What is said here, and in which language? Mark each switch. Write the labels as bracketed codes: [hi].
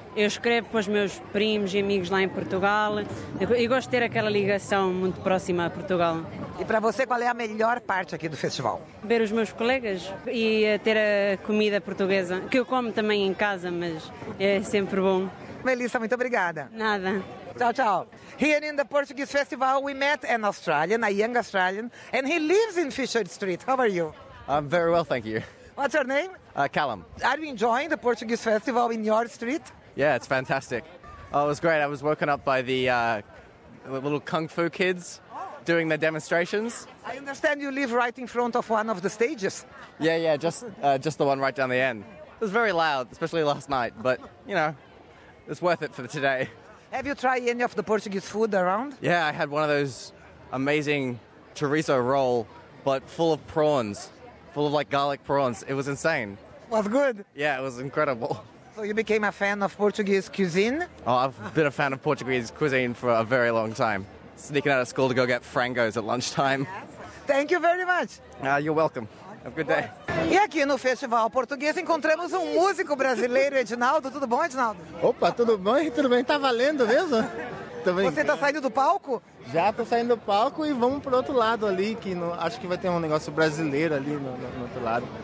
[pt] Eu escrevo para os meus primos e amigos lá em Portugal e gosto de ter aquela ligação muito próxima a Portugal. E para você, qual é a melhor parte aqui do festival? Ver os meus colegas e ter a comida portuguesa, que eu como também em casa, mas é sempre bom. Melissa, muito obrigada. Nada. Tchau, tchau. [en] Here in the Portuguese Festival, we met an Australian, a young Australian, and he lives in Fisher Street. How are you? I'm very well, thank you. What's your name? Callum. Are you enjoying the Portuguese Festival in your street? Yeah, it's fantastic. Oh, it was great. I was woken up by the little kung fu kids doing their demonstrations. I understand you live right in front of one of the stages. Yeah, just the one right down the end. It was very loud, especially last night, but, you know, it's worth it for today. Have you tried any of the Portuguese food around? Yeah, I had one of those amazing chorizo roll, but full of prawns, full of, like, garlic prawns. It was insane. Was good? Yeah, it was incredible. So you became a fan of Portuguese cuisine? Oh, I've been a fan of Portuguese cuisine for a very long time. Sneaking out of school to go get frangos at lunchtime. Thank you very much. You're welcome. Have a good day. [pt] E aqui no Festival Português encontramos músico brasileiro, Edinaldo. Tudo bom, Edinaldo? Opa, tudo bom? Tudo bem? Tá valendo mesmo? Você tá saindo do palco? Já tô saindo do palco e vamos pro outro lado ali, que no, acho que vai ter um negócio brasileiro ali no outro lado.